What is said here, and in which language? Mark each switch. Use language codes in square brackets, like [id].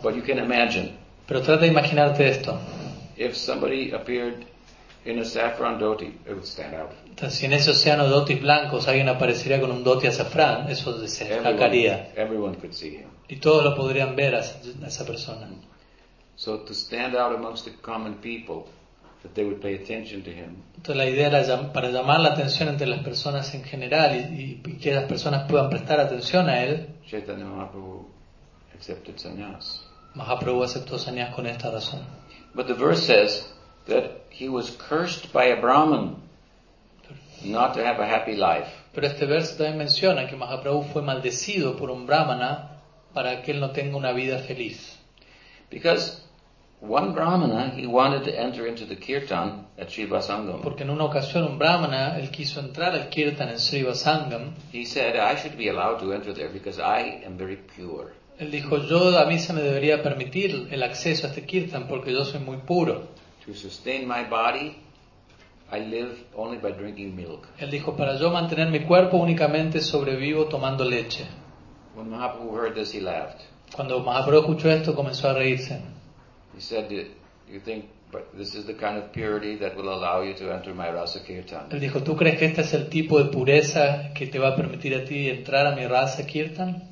[en] But you can imagine. [es] Pero trata de imaginarte esto. [en] If somebody appeared in a saffron dhoti, it would stand out. [es] Entonces, si en ese océano de dhotis blancos alguien aparecería con un dhoti azafrán, eso se destacaría. [en] Everyone could see him. [es] Y todos lo podrían ver a esa persona. [en] So to stand out amongst the common people, that they would pay attention to him. [es] Entonces la idea era para llamar la atención entre las personas en general y que las personas puedan prestar atención a él. [en] Caitanya Mahaprabhu accepted sannyas. [es] Mahaprabhu aceptó sannyas con esta razón. [en] But the verse says that he was cursed by a Brahman not to have a happy life. [es] Pero este verso también menciona que Mahaprabhu fue maldecido por un Brahmana para que él no tenga una vida feliz. [en] Because one Brahmana, he wanted to enter into the kirtan at Sri Vasangam. [es] Porque en una ocasión un Brahmana, él quiso entrar al kirtan en Sri Vasangam. [en] He said, I should be allowed to enter there because I am very pure. [es] Él dijo, yo a mí se me debería permitir el acceso a este kirtan porque yo soy muy puro. [en] To sustain my body, I live only by drinking milk. [es] Él dijo, para yo mantener mi cuerpo únicamente sobrevivo tomando leche. [en] When Mahaprabhu heard this, he laughed. [es] Cuando Mahaprabhu escuchó esto, comenzó a reírse. [en] He said, you think but this is the kind of purity that will allow you to enter my rasa kirtan? [es] Él dijo, ¿tú crees que este es el tipo de pureza que te va a permitir a ti entrar a mi rasa kirtan?